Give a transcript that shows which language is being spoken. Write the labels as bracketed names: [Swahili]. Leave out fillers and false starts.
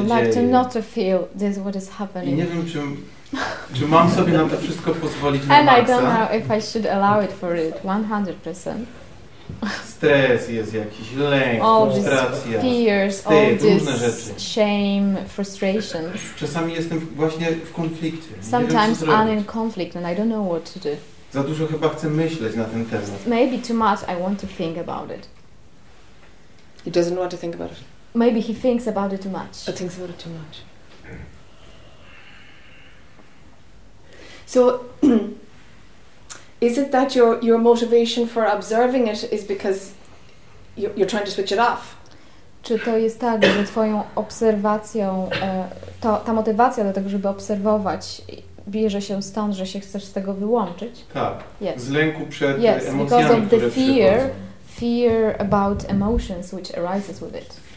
[English] I would like to not to feel this what is happening. [Polish] I nie wiem czy mam sobie na to wszystko pozwolić. [English] And I don't know if I should allow it for it 100%. [Polish] Stres jest jakiś, lęk, [English] all [Polish] frustracja, [English] fears, [Polish] wstyd, [English] all [Polish] różne rzeczy. [English] Shame, frustrations. [Polish] Czasami jestem właśnie w konflikcie. [English] Sometimes [Polish] nie wiem, [English] I'm in conflict and I don't know what to do. [Polish] Za dużo chyba chcę myśleć na ten temat. [English] Maybe too much I want to think about it. He doesn't want to think about it. Maybe he thinks about it too much. He thinks about it too much. So is it that your motivation for observing it is because you're trying to switch it off? [Polish] Czy to jest tak, że twoją obserwacją, ta motywacja do tego, żeby obserwować, bierze się stąd, że się chcesz z tego wyłączyć? Tak. [English] Yes. [Polish] Z lęku przed emocjami, które przychodzą. [English] Yes, because of the fear about emotions which arises with it.